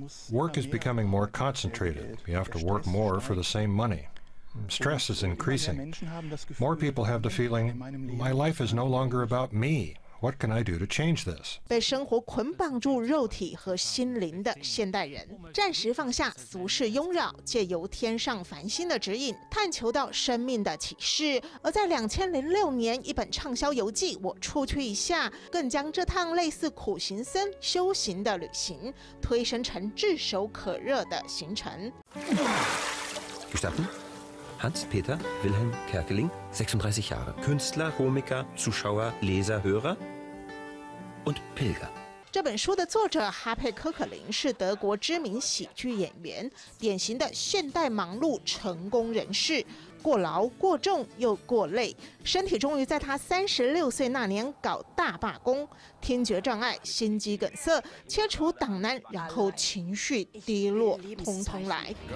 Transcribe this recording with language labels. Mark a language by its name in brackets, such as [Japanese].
[English] Work is becoming more concentrated. You have to work more for the same money. Stress is increasing. More people have the feeling, my life is no longer about me. What can I do to change this? [Chinese] 被生活捆绑住肉体和心灵的现代人，暂时放下俗世庸扰，借由天上繁星的指引，探求到生命的启示。而在2006年，一本畅销游记《我出去一下》，更将这趟类似苦行僧修行的旅行，推升成炙手可热的行程。 [German] Gestatten? Hans-Peter Wilhelm Kerkeling, 36 Jahre, Künstler, Komiker, Zuschauer, Leser, Hörer und Pilger. [Chinese] 这本书的作者哈佩·科克林是德国知名喜剧演员，典型的现代忙碌成功人士，过劳、过重又过累，身体终于在他36岁那年搞大罢工，听觉障碍、心肌梗塞、切除胆囊，然后情绪低落，通通来。